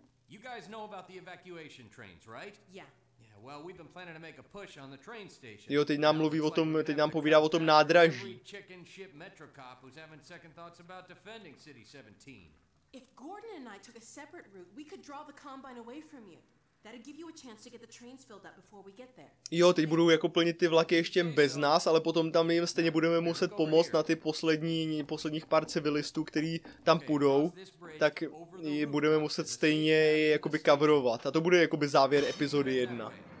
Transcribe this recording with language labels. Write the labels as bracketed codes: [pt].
[en] You guys know about the evacuation trains, right? Yeah. Yeah, well, we've been planning to make a push on the train station. [cs] Jo, teď nám povídá o tom nádraží. [en] Chicken ship Metrocop was having second thoughts about defending City 17. If Gordon and I took a separate route, we could draw the combine away from you. That'd give you a chance to get the trains filled up before we get there. [cs] Jo, teď budou jako plnit ty vlaky ještě bez nás, ale potom tam jim stejně budeme muset pomoct na ty posledních pár civilistů, kteří tam půjdou, tak je budeme muset stejně jakoby coverovat. A to bude jakoby závěr epizody 1.